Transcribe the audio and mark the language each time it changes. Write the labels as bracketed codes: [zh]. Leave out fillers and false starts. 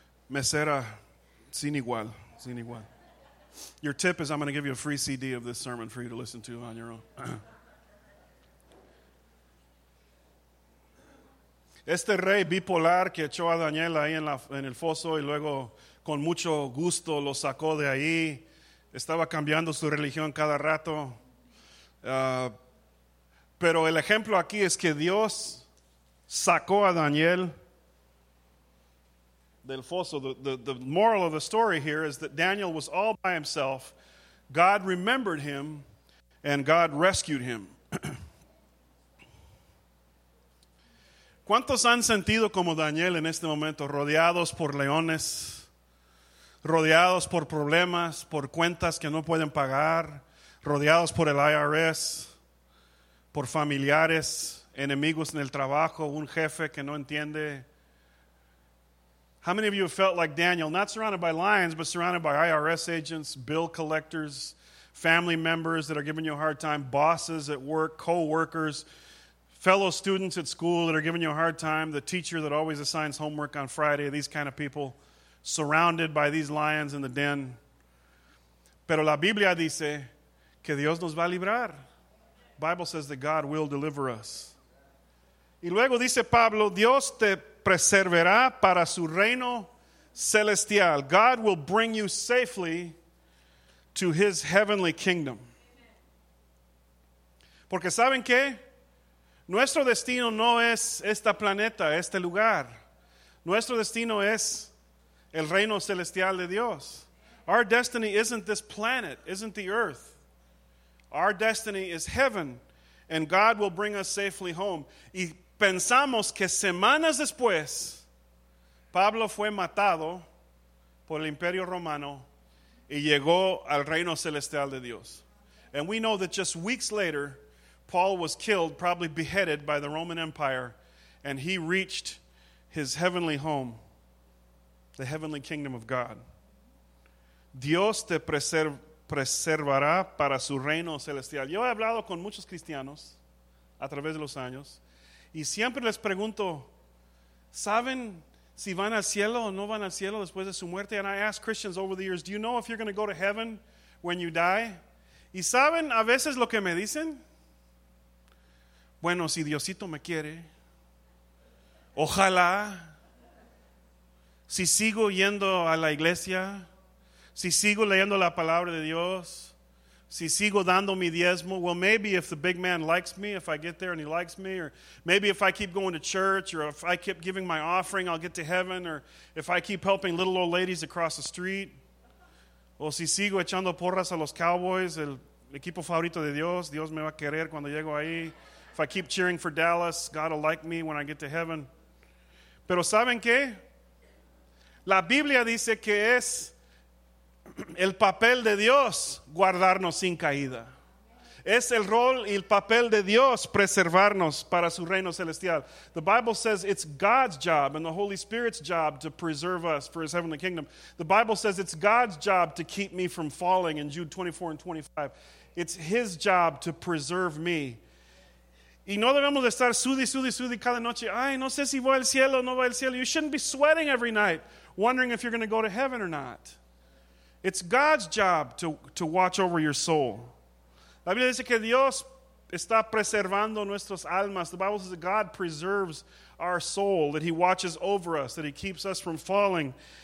[es] Mesera, sin igual. [en] Your tip is I'm going to give you a free CD of this sermon for you to listen to on your own. [es] Este rey bipolar que echó a Daniel ahí en el foso y luego con mucho gusto lo sacó de ahí. Estaba cambiando su religión cada rato. Pero el ejemplo aquí es que Dios sacó a Daniel del foso. [en] The moral of the story here is that Daniel was all by himself. God remembered him and God rescued him. [es] ¿Cuántos han sentido como Daniel en este momento, rodeados por leones, rodeados por problemas, por cuentas que no pueden pagar, rodeados por el IRS, por familiares, enemigos en el trabajo, un jefe que no entiende? [en] How many of you have felt like Daniel, not surrounded by lions, but surrounded by IRS agents, bill collectors, family members that are giving you a hard time, bosses at work, co-workers, fellow students at school that are giving you a hard time, the teacher that always assigns homework on Friday, these kind of people surrounded by these lions in the den. [es] Pero la Biblia dice que Dios nos va a librar. [en] Bible says that God will deliver us. [es] Y luego dice Pablo, Dios te preservará para su reino celestial. [en] God will bring you safely to his heavenly kingdom. [es] Porque saben qué? Nuestro destino no es esta planeta, este lugar. Nuestro destino es el reino celestial de Dios. [en] Our destiny isn't this planet, isn't the earth. Our destiny is heaven, and God will bring us safely home. [es] Y pensamos que semanas después, Pablo fue matado por el Imperio Romano y llegó al reino celestial de Dios. [en] And we know that just weeks later, Paul was killed, probably beheaded by the Roman Empire, and he reached his heavenly home, the heavenly kingdom of God. [es] Dios te preservará para su reino celestial. Yo he hablado con muchos cristianos a través de los años, y siempre les pregunto, ¿saben si van al cielo o no van al cielo después de su muerte? [en] And I ask Christians over the years, do you know if you're going to go to heaven when you die? [es] Y saben a veces lo que me dicen. Bueno, si Diosito me quiere, ojalá, si sigo yendo a la iglesia, si sigo leyendo la palabra de Dios, si sigo dando mi diezmo, [en] well, maybe if the big man likes me, if I get there and he likes me, or maybe if I keep going to church, or if I keep giving my offering, I'll get to heaven, or if I keep helping little old ladies across the street, [es] o si sigo echando porras a los Cowboys, el equipo favorito de Dios, Dios me va a querer cuando llego ahí. [en] If I keep cheering for Dallas, God will like me when I get to heaven. [es] Pero ¿saben qué? La Biblia dice que es el papel de Dios guardarnos sin caída. Es el rol y el papel de Dios preservarnos para su reino celestial. [en] The Bible says it's God's job and the Holy Spirit's job to preserve us for his heavenly kingdom. The Bible says it's God's job to keep me from falling in Jude 24 and 25. It's his job to preserve me. [es] Y no debemos de estar sudi cada noche. Ay, no sé si voy al cielo o no voy al cielo. [en] You shouldn't be sweating every night, wondering if you're going to go to heaven or not. It's God's job to watch over your soul. [es] La Biblia dice que Dios está preservando nuestras almas. [en] The Bible says that God preserves our soul, that he watches over us, that he keeps us from falling.